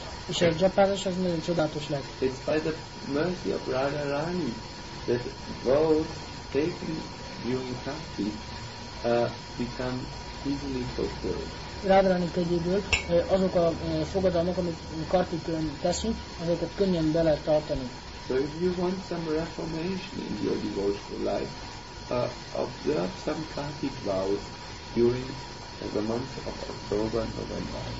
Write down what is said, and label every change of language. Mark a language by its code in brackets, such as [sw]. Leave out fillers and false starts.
[hu] És a japánás az nagyon csodálatos lett. [en] It's by the mercy of Radharani that vows taken during Kati become easily fulfilled. [hu] Radharani kegyéből azok a fogadalmak, amit Kartikön teszünk, azokat könnyen be lehet tartani. [en] So if you want some reformation in your devotional life, observe some Kartik vows during the month of October and November.